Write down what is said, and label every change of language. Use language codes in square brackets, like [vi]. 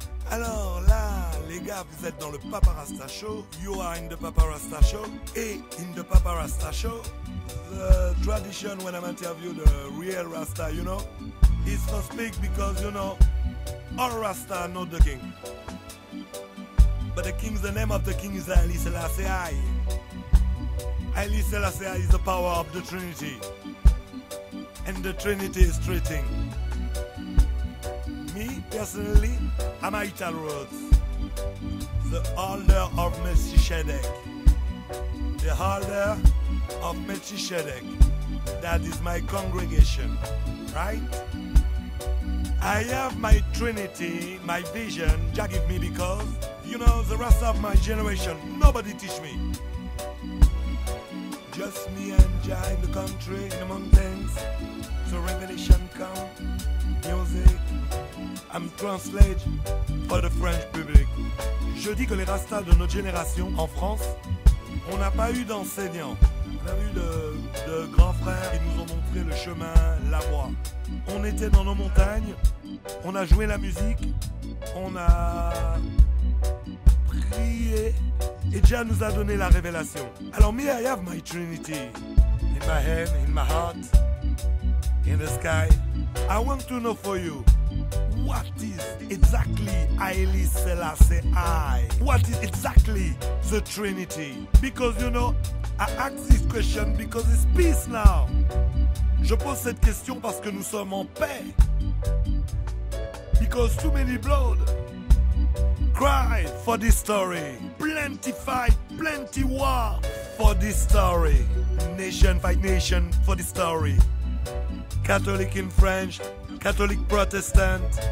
[fr] Alors là, les gars, vous êtes dans le Papa Rasta Show. [en] You are in the Papa Rasta Show. Et in the Papa Rasta Show, the tradition when I'm interviewing the real Rasta, you know, is to speak because, you know, all Rasta are not the king. But the king's, the name of the king is Haile Selassie I. Haile Selassie I is the power of the Trinity. And the Trinity is treating. Me, personally, I'm Ital Rhodes. The holder of Melchizedek. The holder of Melchizedek. That is my congregation, right? I have my Trinity, my vision, Jah give me because, you know, the rest of my generation, nobody teach me. Just me and Jah in the country, in the mountains, so revelation come, music, I'm translate for the French public. [fr] Je dis que les Rastas de notre génération, en France, on n'a pas eu d'enseignants. On a eu de grands frères qui nous ont montré le chemin, la voie. On était dans nos montagnes, on a joué la musique, on a prié et Jah nous a donné la révélation. [en] Alors me, I have my Trinity in my hand, in my heart, in the sky. I want to know for you, what is exactly Haile Selassie I? What is exactly the Trinity? Because you know, I ask this question because it's peace now. [fr] Je pose cette question parce que nous sommes en paix. [en] Because too many blood cry for this story. Plenty fight, plenty war for this story. Nation fight nation for this story. Catholic in French, Catholic Protestant.